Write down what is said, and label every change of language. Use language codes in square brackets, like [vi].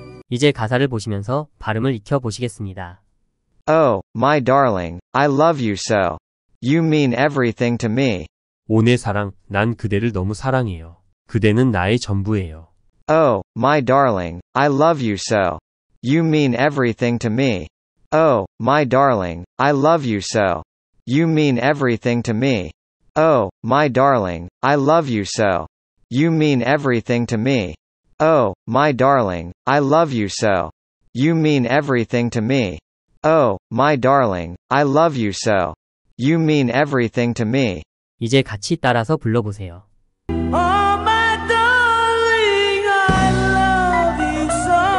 [ko] 이제 가사를 보시면서 발음을 익혀 보시겠습니다. [en] Oh, my darling, I love you so. You mean everything to me. [ko] 오, 내 사랑, 난 그대를 너무 사랑해요. 그대는 나의 전부예요. [en] Oh, my darling, I love you so. You mean everything to me. Oh, my darling, I love you so. You mean everything to me. Oh, my darling, I love you so. You mean everything to me. Oh, my darling, I love you so. You mean everything to me. Oh, my darling, I love you so. You mean everything to me. [ko] 이제 같이 따라서 불러보세요. [en] Oh, my darling, I love you so.